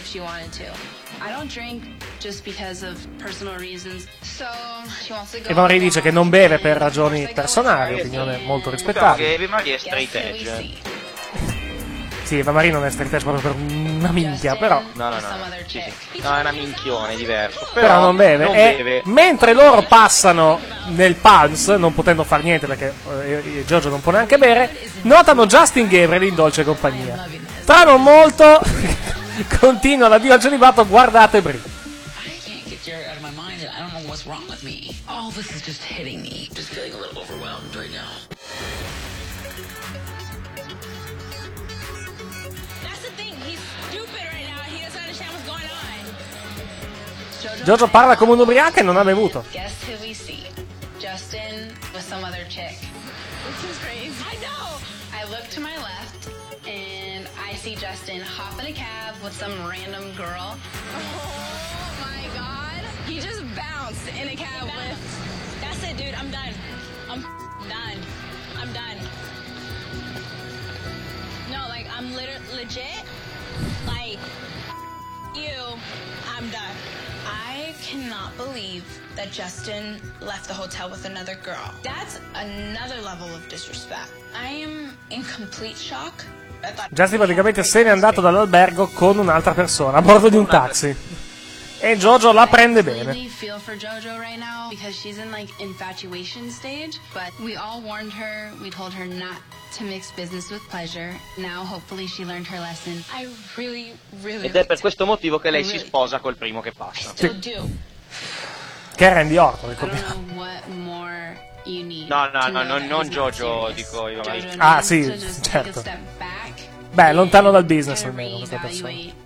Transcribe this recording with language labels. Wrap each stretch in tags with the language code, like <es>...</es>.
<en>I don't drink just because of personal reasons. So she wants to go.</en> <it>Eva Marie dice che non beve per ragioni personali, opinione molto rispettabile. Eva Marie è straight edge. Sì, Eva Marie non è straight edge proprio per una minchia, però. No. Sì, sì. No, è una minchione, diverso. Però non beve. Non beve. Mentre loro passano nel Pulse, non potendo far niente perché Giorgio non può neanche bere, notano Justin Gabriel in dolce compagnia. Tra non molto. Continua l'addio al celibato, guardate Brie.</it> <en>I can't get Jared out of my mind and I don't know what's wrong with me. All this is just hitting me. Just feeling a little overwhelmed right now. That's the thing, he's stupid right now. He doesn't understand what's going on.</en> <it>Giorgio parla come un ubriaco e non ha bevuto.</it> <en>Guess who we see? Justin with some other chick. This is crazy. I know! I look to my left. I see Justin hop in a cab with some random girl. Oh my god. He just bounced in a cab with... That's it, dude. I'm done. I'm done. I'm done. No, like, I'm literally legit. Like, you. I'm done. I cannot believe that Justin left the hotel with another girl. That's another level of disrespect. I am in complete shock.</en> <it>Justin praticamente se n'è andato dall'albergo con un'altra persona a bordo di un taxi. E Jojo la prende bene.</it> <en>I feel for Jojo right now because she's in like infatuation stage, but we all warned her, we told her not to mix business with pleasure. Now hopefully she learned her lesson. I really really</en> <it>ed è per questo motivo che lei si sposa col primo che passa. Sì. Che è Randy Orton, ricordiamo.</it> <en>What more you need?</en> <it>No, non Jojo, dico io. Ah, sì, certo. Beh, lontano dal business almeno questa persona.</it>